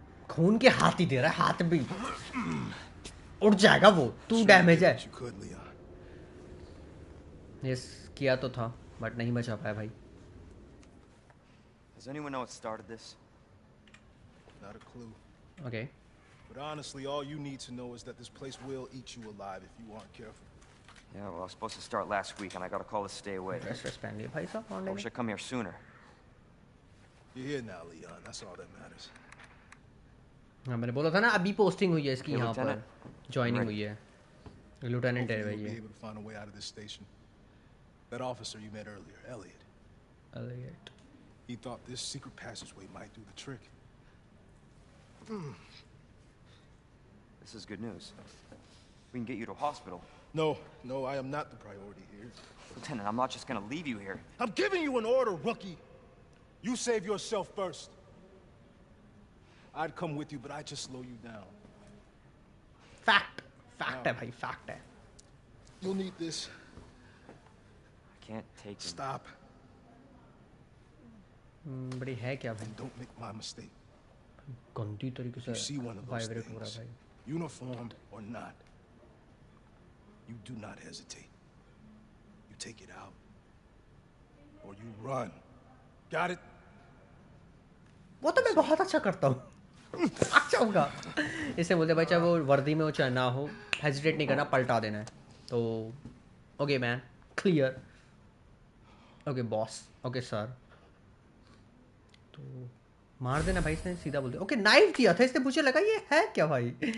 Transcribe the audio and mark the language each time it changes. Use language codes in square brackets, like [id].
[hi] खून के हाथ ही दे रहा है, हाथ भी उड़ जाएगा वो, तू डैमेज है। यस, किया तो था बट नहीं बचा पाया भाई। [en] Does anyone know what started this? Not a clue. Okay. But honestly, all you need to know is that this place will eat you alive if you aren't careful. Yeah, well, I was supposed to start last week and I got a call to stay away. Respectfully, [hi] भाई साहब, [en] I wish I come here sooner. You're here now, Leon. That's all that matters. [hi] हाँ, मैंने बोला था ना, अभी posting हुई है इसकी यहाँ पर, जॉइनिंग हुई है, लुटेनेंट है भाई ये। [en] Able to find a way out of this station. That officer you met earlier, Elliot. Elliot. He thought this secret passageway might do the trick. This is good news. We can get you to a hospital. No, I am not the priority here. Lieutenant, I'm not just gonna leave you here. I'm giving you an order, rookie. You save yourself first. I'd come with you, but I'd just slow you down. [hi] Fact hai bhai, fact hai. [en] You'll need this. I can't take it. Stop. [hi] Badi hai kya bhai? [en] Don't make my mistake. [hi] Gandi tarike se vibrate ho raha hai bhai. [en] Uniformed or not, you do not hesitate. You take it out or you run. Got it? [hi] Wo to main bahut acha karta hu. इसे बोलते भाई, चाहे वो वर्दी में हो चाहे ना हो, हेजिटेट नहीं करना, पलटा देना है। तो [en] Okay man, clear. Okay boss, okay sir. [hi] तो मार देना भाई, इसने सीधा बोल दिया। ओके नाइफ दिया था इसने, मुझे लगा ये है क्या भाई।